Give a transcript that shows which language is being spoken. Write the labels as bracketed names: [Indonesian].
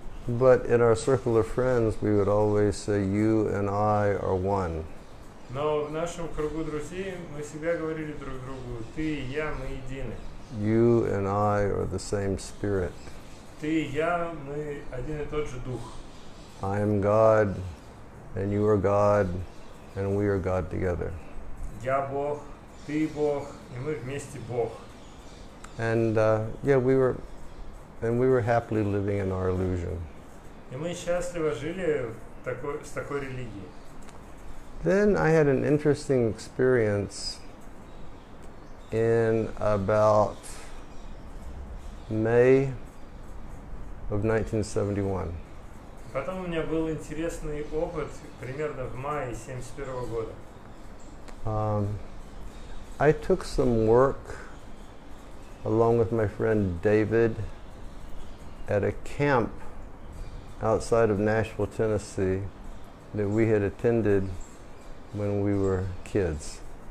[English] But in our circle of friends, we would always say, "You and I are one." [Russian] Но в нашем кругу друзей мы всегда говорили друг другу: "Ты и я, мы едины." [English] You and I are the same spirit. [Russian] Ты и я, мы один и тот же дух. [English] I am God. And you are God, and we are God together. [Russian] Я Бог, ты Бог, и мы вместе Бог. [English] And we were happily living in our illusion. [Russian] И мы счастливо жили с такой религией. [English] Then I had an interesting experience in about May of 1971. [Russian] Потом у меня был интересный опыт примерно в мае 71 года. [English] I took some work along with my friend David at a camp outside of Nashville, Tennessee, that we had attended when we were kids.